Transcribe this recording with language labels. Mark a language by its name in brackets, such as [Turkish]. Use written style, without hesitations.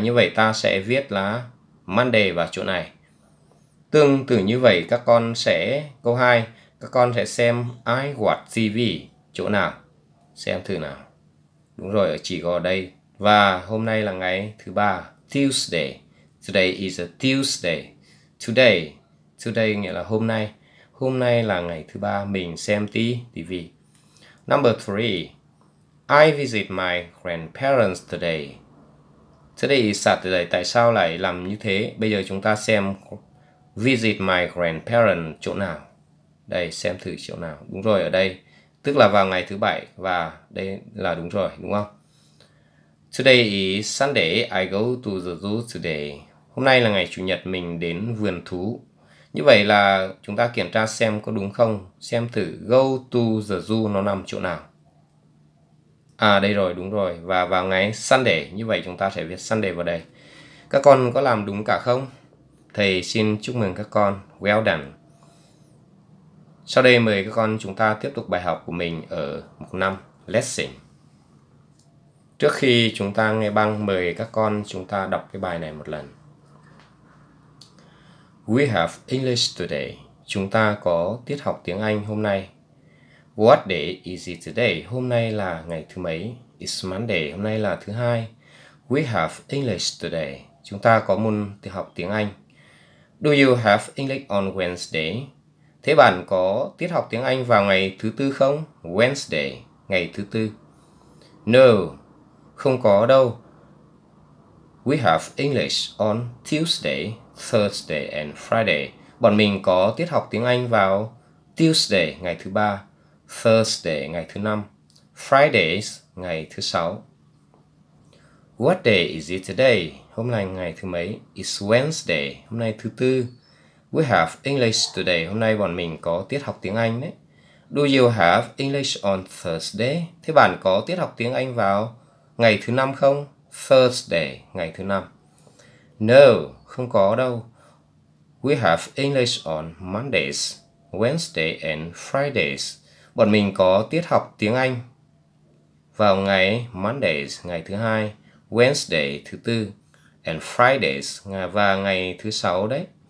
[Vietnamese] Như vậy ta sẽ viết là Monday vào chỗ này. Tương tự như vậy các con sẽ, câu 2, các con sẽ xem [English] I watch TV [Vietnamese] chỗ nào. Xem thử nào. Đúng rồi, chỉ có ở đây. Và hôm nay là ngày thứ ba, Tuesday. [English] Today is a Tuesday. Today, today [Vietnamese] nghĩa là hôm nay. Hôm nay là ngày thứ ba, mình xem TV. [English] Number 3, I visit my grandparents today. Today is Saturday, [Vietnamese] tại sao lại làm như thế? Bây giờ chúng ta xem [English] visit my grandparents [Vietnamese] chỗ nào. Đây, xem thử chỗ nào. Đúng rồi, ở đây. Tức là vào ngày thứ bảy và đây là đúng rồi, đúng không? [English] Today is Sunday, I go to the zoo today. [Vietnamese] Hôm nay là ngày Chủ nhật, mình đến vườn thú. Như vậy là chúng ta kiểm tra xem có đúng không. Xem thử [English] go to the zoo [Vietnamese] nó nằm chỗ nào. À đây rồi, đúng rồi. Và vào ngày Sunday, như vậy chúng ta sẽ viết Sunday vào đây. Các con có làm đúng cả không? Thầy xin chúc mừng các con. [English] Well done. [Vietnamese] Sau đây mời các con chúng ta tiếp tục bài học của mình ở mục 5, Lesson. Trước khi chúng ta nghe băng, mời các con chúng ta đọc cái bài này một lần. [English] We have English today. [Vietnamese] Chúng ta có tiết học tiếng Anh hôm nay. [English] What day is it today? [Vietnamese] Hôm nay là ngày thứ mấy? [English] It's Monday. [Vietnamese] Hôm nay là thứ hai. [English] We have English today. [Vietnamese] Chúng ta có môn tiết học tiếng Anh. [English] Do you have English on Wednesday? [Vietnamese] Thế bạn có tiết học tiếng Anh vào ngày thứ tư không? Wednesday, ngày thứ tư. No, không có đâu. [English] We have English on Tuesday, Thursday and Friday. [Vietnamese] Bọn mình có tiết học tiếng Anh vào Tuesday, ngày thứ ba, Thursday, ngày thứ năm, Fridays, ngày thứ sáu. [English] What day is it today? [Vietnamese] Hôm nay ngày thứ mấy? [English] It's Wednesday, [Vietnamese] hôm nay thứ tư. [English] We have English today. [Vietnamese] Hôm nay bọn mình có tiết học tiếng Anh đấy. [English] Do you have English on Thursday? [Vietnamese] Thế bạn có tiết học tiếng Anh vào ngày thứ năm không? Thursday, ngày thứ năm. No, không có đâu. [English] We have English on Mondays, Wednesday and Fridays. [Vietnamese] Bọn mình có tiết học tiếng Anh vào ngày Mondays, ngày thứ hai, Wednesday, thứ tư, and Fridays, và ngày thứ sáu đấy.